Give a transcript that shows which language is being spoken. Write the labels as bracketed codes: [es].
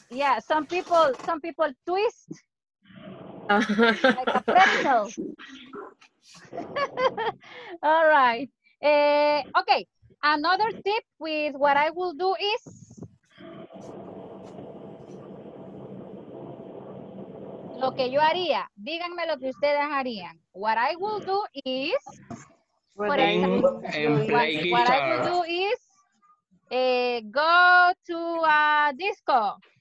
[en] Yeah. Some people twist. Like a pretzel. All right. Okay. Another tip with what I will do is. [es] Lo que yo haría, díganme lo que ustedes harían. [en] What I will do is, for example, what I will do is go to a disco.